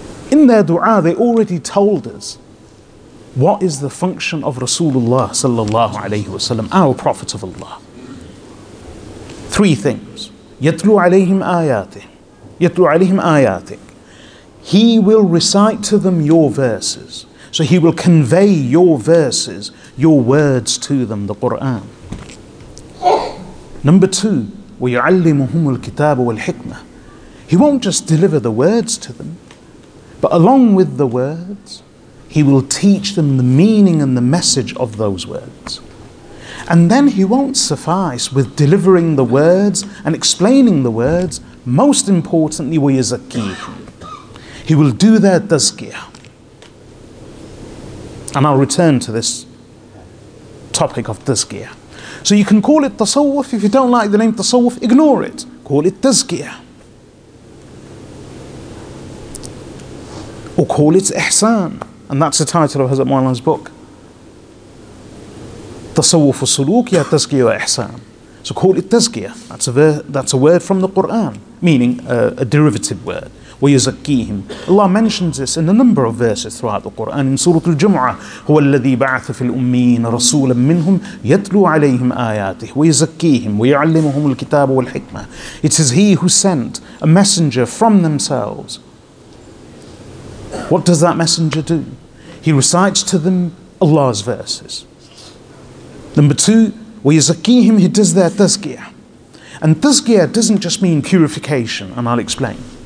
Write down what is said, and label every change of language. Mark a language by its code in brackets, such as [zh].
[en] In their dua, they already told us what is the function of Rasulullah sallallahu alayhi wasallam, our Prophet of Allah. Three things. Yatlu alayhim ayatik. He will recite to them your verses. So he will convey your verses, your words to them, the Qur'an. Number two, [ar] وَيُعَلِّمُهُمُ الْكِتَابُ وَالْحِكْمَةِ. [en] He won't just deliver the words to them, but along with the words, he will teach them the meaning and the message of those words. And then he won't suffice with delivering the words and explaining the words. Most importantly, [ar] وَيَزَكِّيهُمْ. [en] He will do their tazkiyah. And I'll return to this topic of tazkiyah. So you can call it tasawwuf. If you don't like the name tasawwuf, ignore it. Call it tazkiyah. Or call it ihsan. And that's the title of Hazrat Mawlana's book. Tasawwuf al-suluk ya tazkiyah wa ihsan. So call it tazkiyah. That's a word from the Quran, meaning a derivative word. [ar] وَيُزَكِّيهِمْ. [en] Allah mentions this in a number of verses throughout the Quran. [ar] In Surah Al-Jum'ah, هُوَ الَّذِي بَعَثَ فِي الْأُمِّينَ رَسُولًا مِّنْهُمْ يَتْلُوا عَلَيْهِمْ آيَاتِهِ وَيُزَكِّيهِمْ وَيُعَلِّمُهُمُ الْكِتَابُ وَالْحِكْمَةِ. [en] It is He who sent a messenger from themselves. What does that messenger do? He recites to them Allah's verses. Number two, [ar] وَيُزَكِّيهِمْ. [en] He does their tazkiyah. And tazkiyah doesn't just mean purification, and I'll explain.